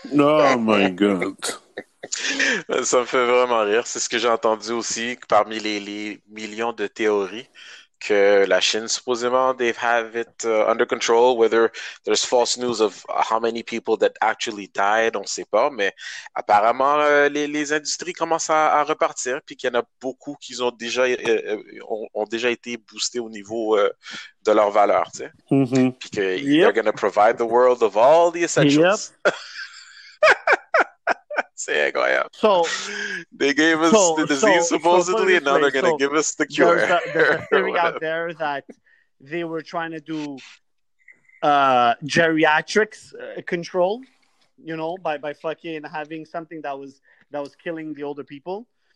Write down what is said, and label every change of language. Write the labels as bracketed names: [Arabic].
[English] Oh my god. [French] Ça me fait vraiment rire. C'est ce que j'ai entendu aussi parmi les millions de théories que la Chine, supposément, [English] they have it under control. Whether there's false news of how many people that actually died, [French] on ne sait pas. Mais apparemment, les industries commencent à repartir, puis qu'il y en a beaucoup qui ont déjà ont déjà été boostés au niveau de leur valeur, tu sais. Mm-hmm. Puis que [English] they're gonna provide the world of all the essentials. Yep. [French] C'est incroyable. [English] So, they gave us the disease supposedly, and now they're going to give us the cure. There's a theory out there that they were trying to do geriatrics control, you know, by fucking having something that was killing the older people.